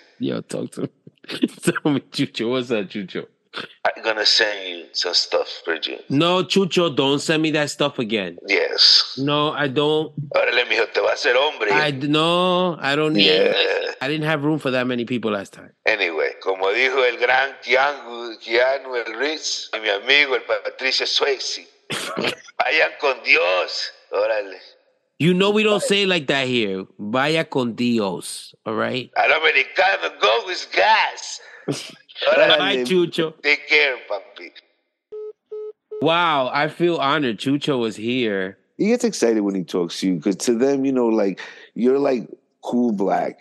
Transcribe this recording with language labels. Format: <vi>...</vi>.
<en>Yo, talk to me. Tell me, Chucho. What's up, Chucho? I'm gonna send you some stuff, Bridget. No, Chucho, don't send me that stuff again. Yes. No, I don't.</en> <es>Órale, mijo, te va a ser hombre.</es> <en>No, I don't need I didn't have room for that many people last time.</en> <es>Anyway, como dijo el gran Keanu el Ritz y mi amigo el Patricio Swayze, vayan con Dios. Órale.</es> <en>You know we don't say it like that here.</en> <es>Vaya con Dios,</es> <en>all right?</en> <es>Al americano,</es> <en>go with gas. Bye, Chucho. Take care, papi. Wow, I feel honored Chucho was here. He gets excited when he talks to you because to them, you know, like, you're like cool black.</en>